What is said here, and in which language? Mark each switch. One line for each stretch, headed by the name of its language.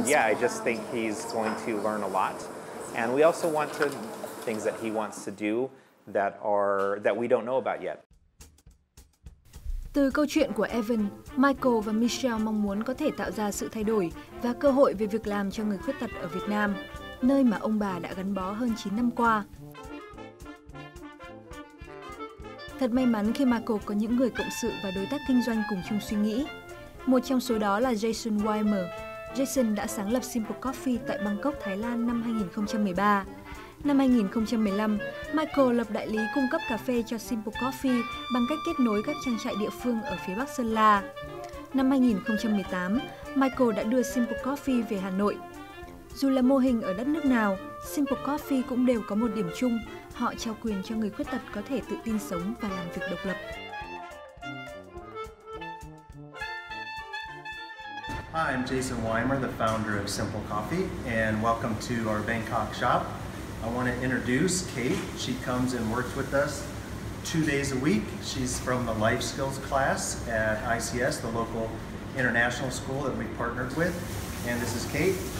English: I just think he's going to learn a lot. And we also want to things that he wants to do that we don't know about yet.
Vietnamese: Từ câu chuyện của Evan, Michael và Michelle mong muốn có thể tạo ra sự thay đổi và cơ hội về việc làm cho người khuyết tật ở Việt Nam, nơi mà ông bà đã gắn bó hơn 9 năm qua. Thật may mắn khi Michael có những người cộng sự và đối tác kinh doanh cùng chung suy nghĩ. Một trong số đó là Jason Weimer. Jason đã sáng lập Simple Coffee tại Bangkok, Thái Lan năm 2013. Năm 2015, Michael lập đại lý cung cấp cà phê cho Simple Coffee bằng cách kết nối các trang trại địa phương ở phía Bắc Sơn La. Năm 2018, Michael đã đưa Simple Coffee về Hà Nội. Dù là mô hình ở đất nước nào, Simple Coffee cũng đều có một điểm chung: họ trao quyền cho người khuyết tật có thể tự tin sống và làm việc độc lập.
English: Hi, I'm Jason Weimer, the founder of Simple Coffee, and welcome to our Bangkok shop. I want to introduce Kate. She comes and works with us 2 days a week. She's from the Life Skills class at ICS, the local international school that we partnered with. And this is Kate.